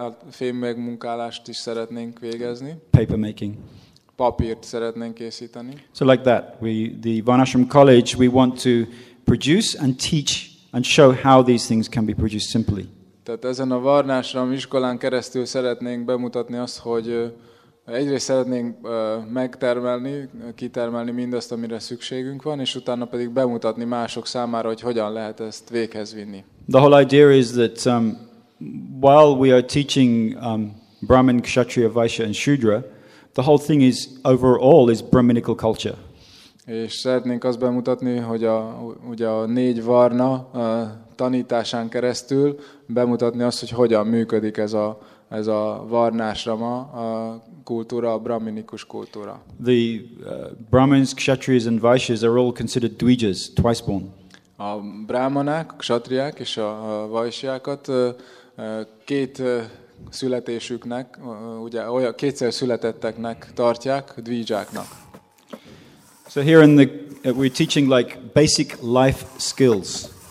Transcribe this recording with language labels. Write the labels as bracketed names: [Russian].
[Hungarian] Fémmegmunkálást is szeretnénk végezni. [English] Papermaking. [Hungarian] Papírt szeretnénk készíteni. [English] So like that, the Varnashram College, we want to produce and teach and show how these things can be produced simply. [Hungarian] Tehát ezen a Varnashram iskolán keresztül szeretnénk bemutatni azt, hogy egyrészt szeretnénk megtermelni, kitermelni mindazt, amire szükségünk van, és utána pedig bemutatni mások számára, hogy hogyan lehet ezt véghez vinni. [English] The whole idea is that while we are teaching Brahmin, Kshatriya, Vaishya and Shudra, the whole thing is overall is Brahminical culture. [Hungarian] És szeretnénk azt bemutatni, hogy ugye a négy varna tanításán keresztül bemutatni azt, hogy hogyan működik ez a varnásrama kultúra, a brahminikus kultúra. [English] The Brahmins, Kshatriyas and Vaishyas are all considered dvijas, twice born. [Hungarian] A brahmanák, kshatriák és a vaishyákat két születésüknek, ugye olyan kétszer születetteknek tartják, dvijáknak. [English] So here in the we're teaching like basic life skills.